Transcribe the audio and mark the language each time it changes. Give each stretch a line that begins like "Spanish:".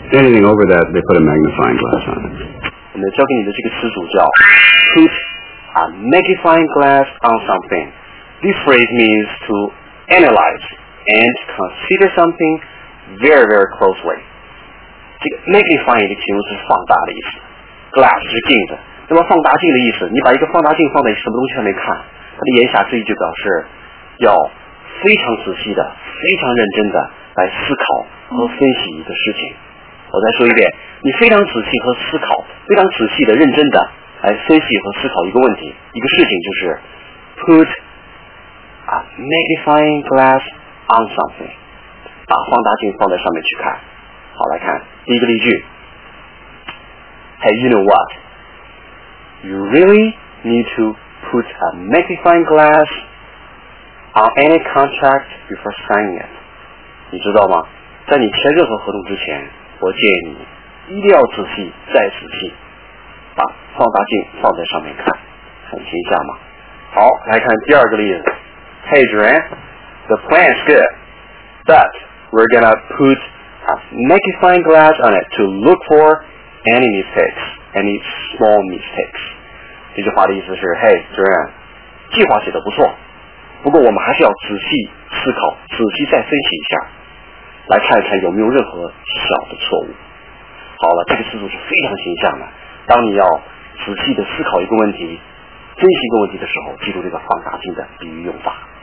English: Anything over that, they put a magnifying glass on it.
Chinese: 我们教给你的这个词组叫
English: put a magnifying glass on something. This phrase means to analyze and consider something very, very closely.
Chinese: 这个 magnifying 的形容是放大的意思。Glass 是镜子。那么放大镜的意思，你把一个放大镜放在什么东西上面看，它的言下之意就表示要非常仔细的、非常认真的来思考和分析一个事情。我再说一遍，你非常仔细和思考，非常仔细的、认真的来分析和思考一个问题、一个事情，就是
English: put a magnifying glass on something，
Chinese: 把放大镜放在上面去看。好，来看第一个例句。
English: Hey, you know what? You really need to put a magnifying glass. On any contract before signing it.
Chinese: 你知道吗？在你签任何合同之前，我建议你一定要仔细再仔细，把放大镜放在上面看，很形象嘛。好，来看第二个例子。
English: Hey, Duran, the plan's good, but we're gonna put a magnifying glass on it to look for any mistakes, any small mistakes.
Chinese: 这句话的意思是 Hey, Duran, 计划写得不错，不过我们还是要仔细思考，仔细再分析一下，来看一看有没有任何小的错误。好了，这个思路是非常形象的。当你要仔细的思考一个问题、分析一个问题的时候，记住这个放大镜的比喻用法。